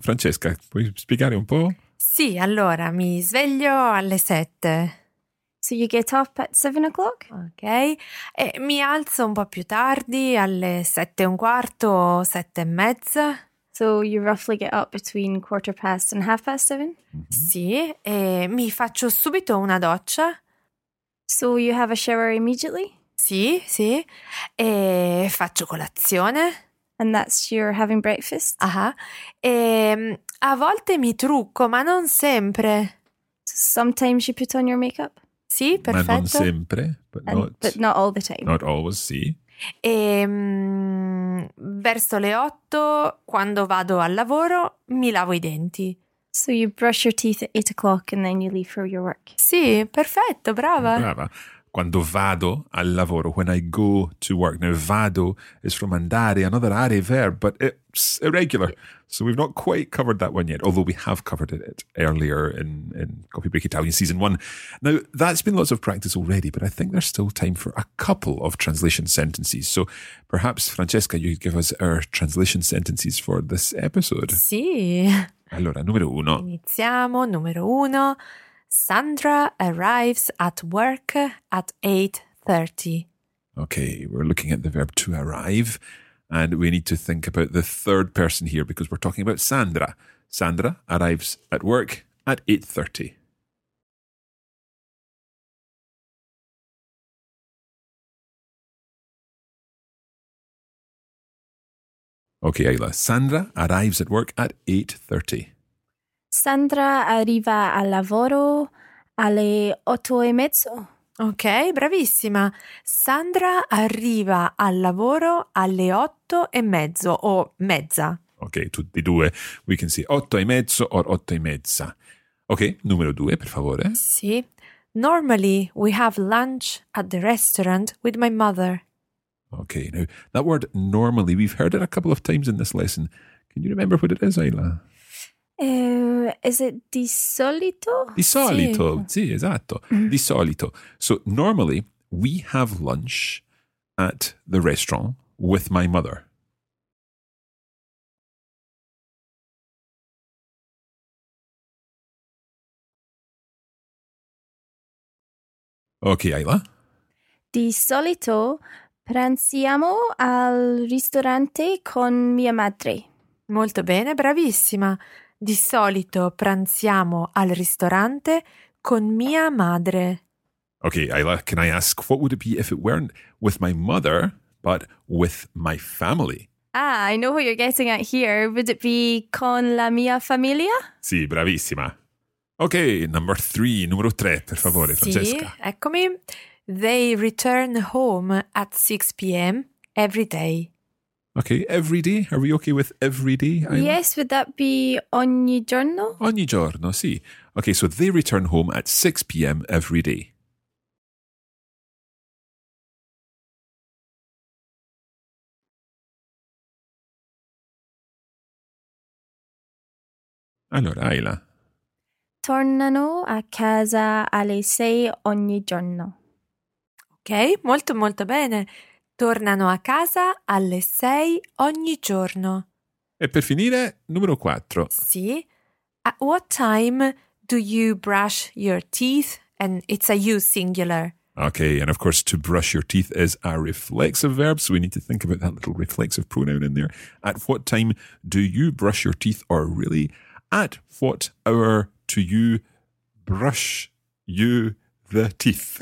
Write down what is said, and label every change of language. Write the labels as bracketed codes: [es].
[it] Francesca, puoi spiegare un po'? Sì, allora, mi sveglio alle 7. [en] So you get up at 7:00? [it] Ok, e mi alzo un po' più tardi, alle 7:15, 7:30. [en] So you roughly get up between 7:15 and 7:30? Mm-hmm. [it] Sì, e mi faccio subito una doccia. [en] So you have a shower immediately? [it] Sì, sì. E faccio colazione. [en] And that's your having breakfast? Aha. [it] E a volte mi trucco, ma non sempre. [en] Sometimes you put on your makeup? [it] Sì, perfetto. Ma non sempre, [en] but, and, not, but not all the time. Not always, sì. [it] E verso le 8, quando vado al lavoro, mi lavo i denti. [en] So you brush your teeth at 8:00 and then you leave for your work? [it] Sì, perfetto, brava. Brava. Quando vado al lavoro, [en] when I go to work. Now, vado is from andare, another are verb, but it's irregular. So we've not quite covered that one yet, although we have covered it earlier in Coffee Break Italian Season 1. Now, that's been lots of practice already, but I think there's still time for a couple of translation sentences. So perhaps, Francesca, you could give us our translation sentences for this episode. [it] Sì. Allora, numero uno. Iniziamo, numero uno. [en] Sandra arrives at work at 8:30. Okay, we're looking at the verb to arrive, and we need to think about the third person here because we're talking about Sandra. Sandra arrives at work at 8:30. Okay, Ayla. Sandra arrives at work at 8:30. [it] Sandra arriva al lavoro alle 8:30. Ok, bravissima. Sandra arriva al lavoro alle 8:30 o mezza. [en] Ok, [it] tutti e due. [en] We can say 8:30 or 8:30. [it] Ok, numero due, per favore. Sì. [en] Normally we have lunch at the restaurant with my mother. Ok, now that word normally, we've heard it a couple of times in this lesson. Can you remember what it is, Ayla? Is it [it] di solito? Di solito, sì, sì esatto. Mm. Di solito. [en] So normally we have lunch at the restaurant with my mother. Ok, Ayla. [it] Di solito pranziamo al ristorante con mia madre. Molto bene, bravissima. Di solito pranziamo al ristorante con mia madre. [en] Okay, Ayla, can I ask what would it be if it weren't with my mother, but with my family? Ah, I know what you're getting at here. [it] Would it be con la mia famiglia? Sì, bravissima. [en] Okay, number three, [it] numero tre, per favore, sì, Francesca. Sì, eccomi. [en] They return home at 6 p.m. every day. Okay, every day. Are we okay with every day? Yes, would that be [it] ogni giorno? [en] Ogni giorno, sì. Okay, so they return home at 6 p.m. every day. [it] Allora, Ayla. Tornano a casa alle 6 ogni giorno. Okay, molto molto bene. Tornano a casa alle 6 ogni giorno. E per finire, numero 4. Sì. [en] At what time do you brush your teeth? And it's a you singular. Okay, and of course, to brush your teeth is a reflexive verb, so we need to think about that little reflexive pronoun in there. At what time do you brush your teeth, or really, at what hour do you brush you the teeth?